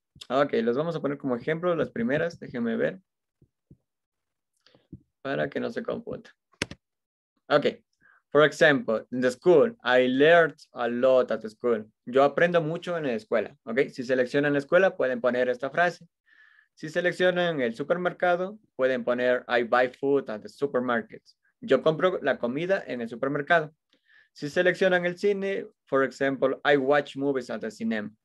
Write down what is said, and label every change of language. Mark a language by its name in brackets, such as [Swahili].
[Spanish] Ok, los vamos a poner como ejemplo, las primeras. Déjenme ver. Para que no se confunda. [English] Ok, for example, in the school, I learned a lot at the school. [Spanish] Yo aprendo mucho en la escuela. Ok, si seleccionan la escuela, pueden poner esta frase. Si seleccionan el supermercado, pueden poner [English] I buy food at the supermarket. [Spanish] Yo compro la comida en el supermercado. Si seleccionan el cine, [English] for example, I watch movies at the cinema.